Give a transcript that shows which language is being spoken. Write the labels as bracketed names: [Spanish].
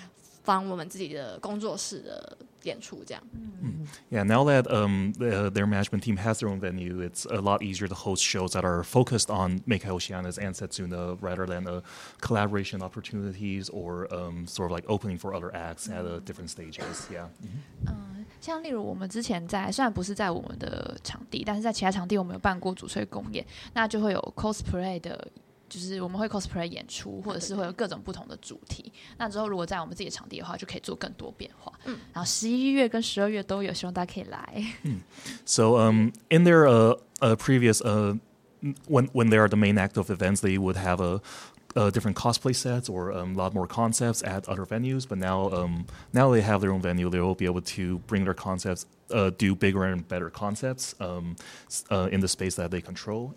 [Chinese] 有机会的话，应该会举办就是比较多我们自己跟Sezuna的活动这样子，都是放我们自己的工作室的演出这样。 [English] Yeah, now that their management team has their own venue, it's a lot easier to host shows that are focused on Meikai Oceanus and Sezuna rather than collaboration opportunities or sort of like opening for other acts at different stages. Yeah. Mm-hmm. [Chinese] 像例如我们之前在虽然不是在我们的场地，但是在其他场地我们有办过主催公演， 那就会有cosplay的， 就是我们会cosplay演出， 或者是会有各种不同的主题。那之后如果在我们自己的场地的话， 就可以做更多变化。然后11月跟12月都有， 希望大家可以来。 [English] So in their previous when they are the main act of events, they would have different cosplay sets or a lot more concepts at other venues, but now they have their own venue, they will be able to bring their concepts, do bigger and better concepts in the space that they control.